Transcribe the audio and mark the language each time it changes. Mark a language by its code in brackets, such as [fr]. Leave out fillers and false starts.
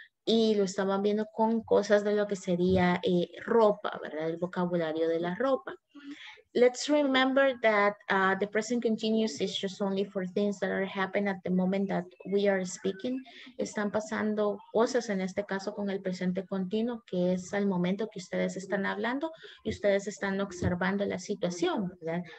[es] Y lo estaban viendo con cosas de lo que sería ropa, ¿verdad? El vocabulario de la ropa. [en] Let's remember that the present continuous is just only for things that are happening at the moment that we are speaking. [es] Están pasando cosas, en este caso con el presente continuo, que es al momento que ustedes están hablando y ustedes están observando la situación, ¿verdad?